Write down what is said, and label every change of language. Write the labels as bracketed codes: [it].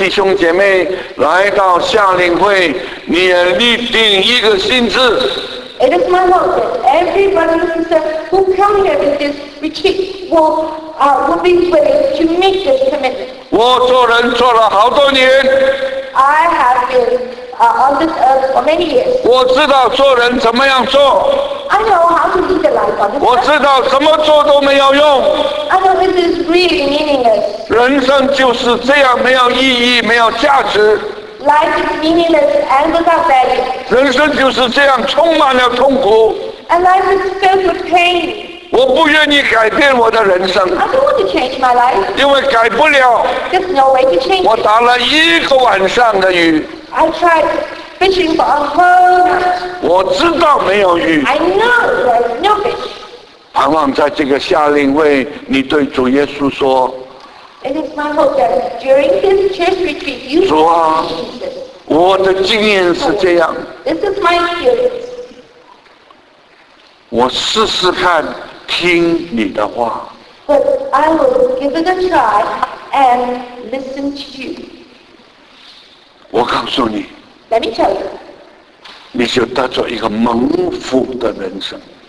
[zh] 我盼望这里每一位弟兄姐妹来到夏令会, 你也立定一个心志, [en] it is my hope that every brother and sister who come here with this retreat will be willing to make this commitment. [zh] 我做人做了好多年, [en] I have been on this earth for many years. [zh] 我知道做人怎么样做, [en] I know how to lead a life on this. [zh] 我知道怎么做都没有用, [en] I know this is really meaningless. [zh] 人生就是这样, 没有意义, 没有价值, [en] life is meaningless and without value. [zh] 人生就是这样, 充满了痛苦, [en] and life is filled with pain. [zh] 我不愿意改变我的人生, [en] I don't want to change my life. [zh] 因为改不了, [en] there's no way to change. [zh] 我打了一个晚上的鱼, [en] I tried fishing for a whole night. [zh] 我知道没有鱼, [en] I know there's no fish. [zh] 盼望在这个夏令会, 你对主耶稣说, [en] it is my hope that during this church retreat, you [zh] 主啊, 我的经验是这样, [en] this is my experience. [zh] 我试试看, 听你的话, [en] but I will give it a try and listen to you. [zh] 我告诉你, [en] let me tell you, [zh] 你就得着一个蒙福的人生,